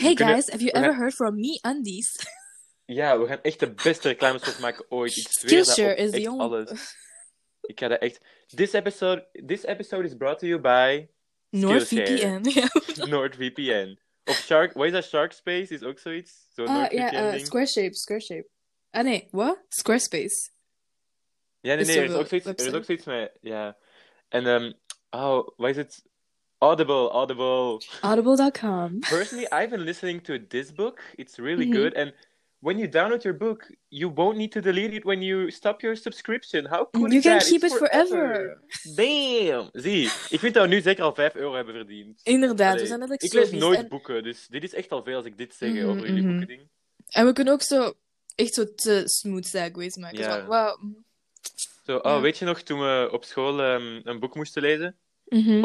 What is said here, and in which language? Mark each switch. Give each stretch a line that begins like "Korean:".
English: Hey guys, have you ever heard from me undies?
Dutch: Ja, we gaan echt de beste reclamespot maken ooit. Ik zweer Skillshare is echt alles. Ik ga dat echt...
English: This episode is brought to you by... NordVPN. NordVPN.
Dutch: Of
English: Shark... What is that?
Dutch: Shark Space is ook zoiets? Zo Squarespace. Ah, nee.
English: What?
Dutch: Squarespace. Ja, nee. Er is ook zoiets met... Ja. En,
English: what is it?
Dutch: Audible.
English: Audible.com. Personally, I've been listening to this book. It's really good. And when you download your book, you won't need to delete it when you stop your subscription. How cool is that? You can keep it forever. Bam!
Dutch: Zie, ik vind dat we nu zeker al 5 euro hebben verdiend. Inderdaad, we zijn net ik lees nooit boeken, dus dit is echt al veel als ik dit zeg over jullie boekending. En we kunnen ook zo echt zo te smooth segues maken.
English: Yeah.
Dutch: Weet je nog toen we op school een boek moesten lezen? Mm-hmm.